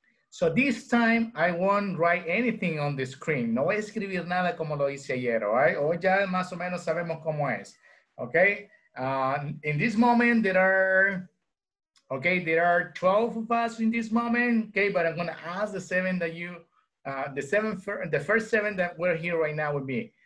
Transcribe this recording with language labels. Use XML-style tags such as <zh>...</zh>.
<en>So this time I won't write anything on the screen.</en> <es>No voy a escribir nada como lo hice ayer, all right? Hoy ya más o menos sabemos cómo es, okay?</es> <en>In this moment there are 12 of us in this moment, okay? But I'm gonna ask the first seven that were here right now with me.</en>